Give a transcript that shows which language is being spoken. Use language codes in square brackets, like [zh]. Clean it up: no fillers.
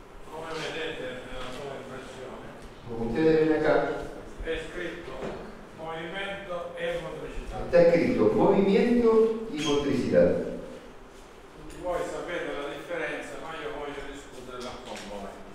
[it] Come vedete nella sua impressione, [es] come ustedes ven acá, [it] è scritto movimento e motricità. [es] Está escrito movimiento y motricidad. [it] Voi sapete la differenza, ma io voglio discuterla con voi.